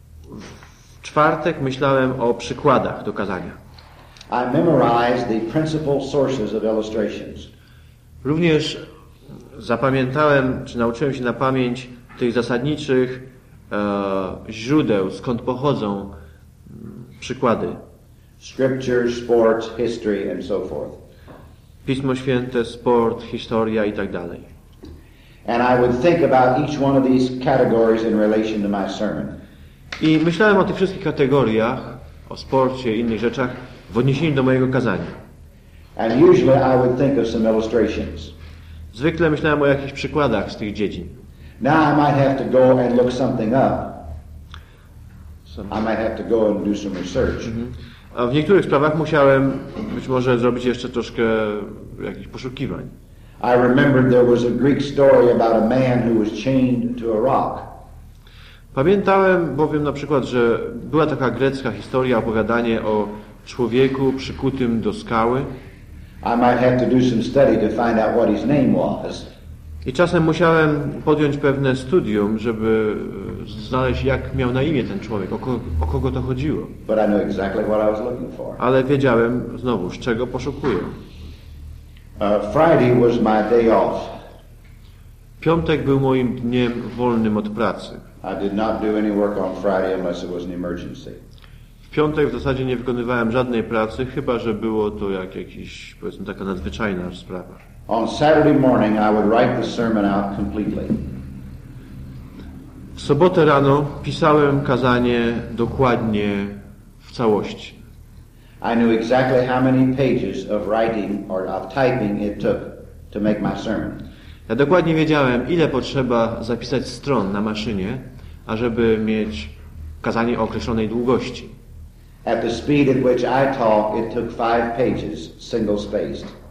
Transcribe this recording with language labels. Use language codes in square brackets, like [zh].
[pl] W czwartek myślałem o przykładach do kazania. [en] I memorized the principal sources of illustrations. [pl] Również zapamiętałem, czy nauczyłem się na pamięć tych zasadniczych źródeł, skąd pochodzą przykłady. [en] Scripture, sport, history and so forth. [pl] Pismo Święte, sport, historia i tak dalej. [en] And I would think about each one of these categories in relation to my sermon. [pl] I myślałem o tych wszystkich kategoriach, o sporcie i innych rzeczach w odniesieniu do mojego kazania. [en] And usually I would think of some illustrations. [pl] Zwykle myślałem o jakichś przykładach z tych dziedzin. [en] Now I might have to go and look something up. I might have to go and do some research. [pl] A w niektórych sprawach musiałem być może zrobić jeszcze troszkę jakichś poszukiwań. [en] I remembered there was a Greek story about a man who was chained to a rock. [pl] Pamiętałem bowiem na przykład, że była taka grecka historia, opowiadanie o człowieku przykutym do skały. [en] I might have to do some study to find out what his name was. [pl] I czasem musiałem podjąć pewne studium, żeby znaleźć, jak miał na imię ten człowiek, o kogo to chodziło. [en] But I knew exactly what I was looking for. [pl] Ale wiedziałem znowu, z czego poszukuję. [en] Friday was my day off. [pl] Piątek był moim dniem wolnym od pracy. [en] I did not do any work on Friday unless it was an emergency. [pl] W piątek w zasadzie nie wykonywałem żadnej pracy, chyba że było to jak jakiś, powiedzmy, taka nadzwyczajna sprawa. [en] On Saturday morning I would write the sermon out completely. [pl] W sobotę rano pisałem kazanie dokładnie w całości. [en] I knew exactly how many pages of writing or of typing it took to make my sermon. [pl] Ja dokładnie wiedziałem, ile potrzeba zapisać stron na maszynie, ażeby mieć kazanie o określonej długości. [en] At the speed at which I talk, it took 5 pages, single spaced.